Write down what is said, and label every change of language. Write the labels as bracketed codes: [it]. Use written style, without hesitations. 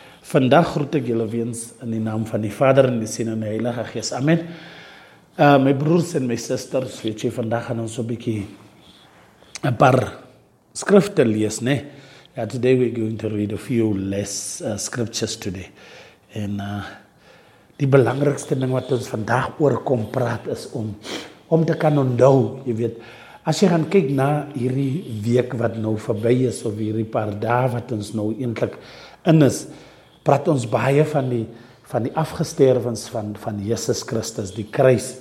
[af] Vandag groet ek julle weer in die naam van die Vader en die Seun en die Heilige Gees. Amen. My broers en my sisters, weet jy, vandag gaan ons so bykie een paar skrifte lees, ne? [en] Yeah, today we're going to read a few less scriptures today. [af] En die belangrikste ding wat ons vandag oorkom praat is om te kan onthou, jy weet, as jy gaan kyk na hierdie week wat nou voorbij is, of hierdie paar dae wat ons nou eintlik in is, praat ons baie van die afgestervens van Jesus Christus, die kruis.